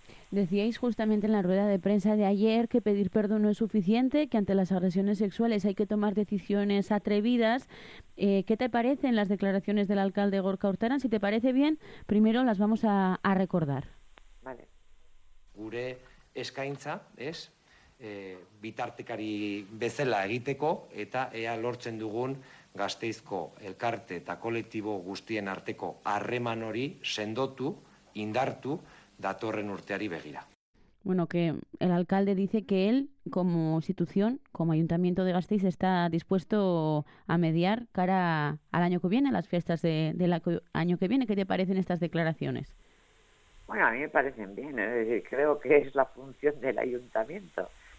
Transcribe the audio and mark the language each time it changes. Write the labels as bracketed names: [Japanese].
[Spanish] Decíais justamente en la rueda de prensa de ayer que pedir perdón no es suficiente, que ante las agresiones sexuales hay que tomar decisiones atrevidas. ¿Qué te parecen las declaraciones del alcalde Gorka Urtaran? Si te parece bien, primero las vamos a recordar. Vale. [Basque] Gure eskaintza, ez? Bitartekari bezala egiteko eta ea lortzen dugun Gasteizko elkarte eta kolektibo guztien arteko harreman hori sendotu, indartu datorren urteari begira. [Spanish] Bueno, que el alcalde dice que él, como institución, como ayuntamiento de Gasteiz, está dispuesto a mediar cara al año que viene, a las fiestas del año que viene. ¿Qué te parecen estas declaraciones? Bueno, a mí me parecen bien, es decir, creo que es la función del ayuntamiento.